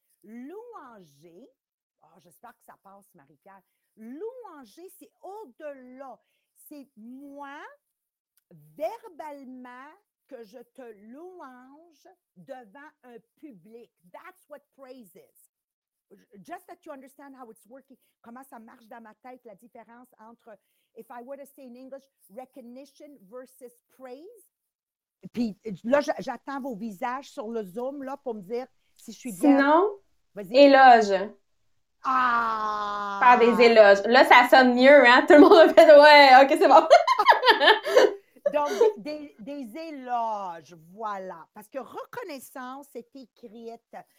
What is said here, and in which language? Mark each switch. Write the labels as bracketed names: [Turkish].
[French] Louanger, oh, j'espère que ça passe, Marie-Pierre. Louanger, c'est au-delà. C'est moi, verbalement, que je te louange devant un public. [English] That's what praise is. Just that you understand how it's working, [French] comment ça marche dans ma tête, la différence entre, [English] if I were to say in English, recognition versus praise. [French] Puis là, j'attends vos visages sur le Zoom là, pour me dire si je suis bien. Sinon, vas-y. Éloge. Ah! Faire des éloges. Là, ça sonne mieux, hein? Tout le monde a fait, ouais, OK, c'est bon. Donc, des éloges, voilà. Parce que reconnaissance est écrite.